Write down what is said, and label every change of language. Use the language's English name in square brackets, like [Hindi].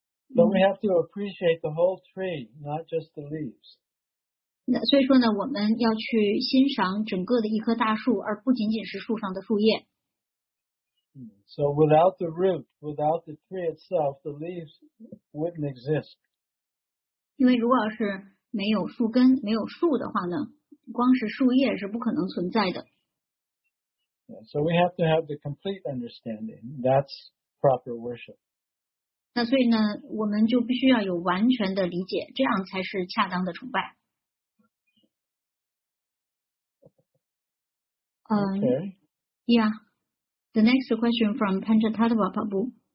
[English] But we have to appreciate the whole tree, not just the leaves. [Chinese] 那所以说呢，我们要去欣赏整个的一棵大树，而不仅仅是树上的树叶。 [English] So without the root, without the tree itself, the leaves wouldn't exist. [Chinese] 因为如果要是没有树根，没有树的话呢，光是树叶是不可能存在的。 [English] Yeah, so we have to have the complete understanding. That's proper worship. [Chinese] 那所以呢，我们就必须要有完全的理解，这样才是恰当的崇拜。 [English] Okay. Yeah. The next question from Panchatattva Prabhu.